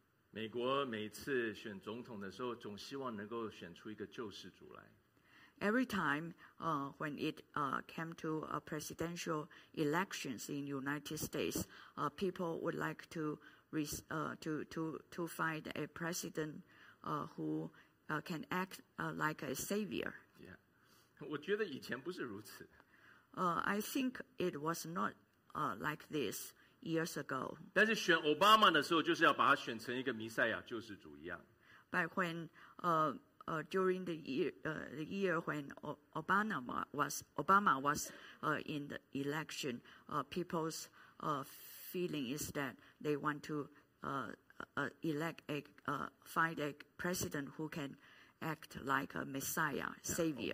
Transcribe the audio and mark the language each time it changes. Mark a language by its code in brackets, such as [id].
[zh] 美国每次选总统的时候，总希望能够选出一个救世主来。 [en] Every time when it came to presidential elections in the United States, people would like to find a president who can act like a savior. [zh] Yeah, 我觉得以前不是如此。 [en] I think it was not like this years ago. [zh] 但是选奥巴马的时候，就是要把他选成一个弥赛亚救世主一样。 [en] But when during the year when Obama was in the election, people's feeling is that they want to find a president who can act like a Messiah, savior.